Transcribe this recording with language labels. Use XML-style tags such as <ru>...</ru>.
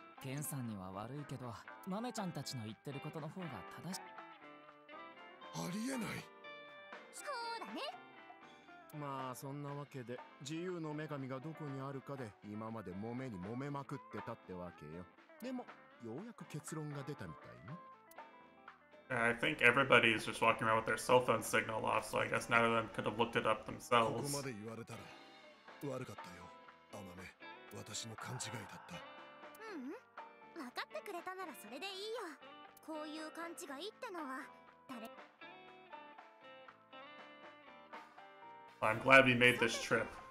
<ja>ケンさんには悪いけど、マメちゃんたちの言ってることの方が正しい。ありえない。そうだね。まあそんなわけで、自由の女神がどこにあるかで今まで揉めに揉めまくってたってわけよ。でもようやく結論が出たみたいね。</ja> <en>I think everybody is just walking around with their cell phone signal off, so I guess none of them could have looked it up themselves.</en> <ja>ここまで言われたら悪かったよ、アマメ。私の勘違いだった。うん、分かってくれたならそれでいいよ。こういう勘違いってのは誰。</ja> <en>I'm glad we made this trip.</en>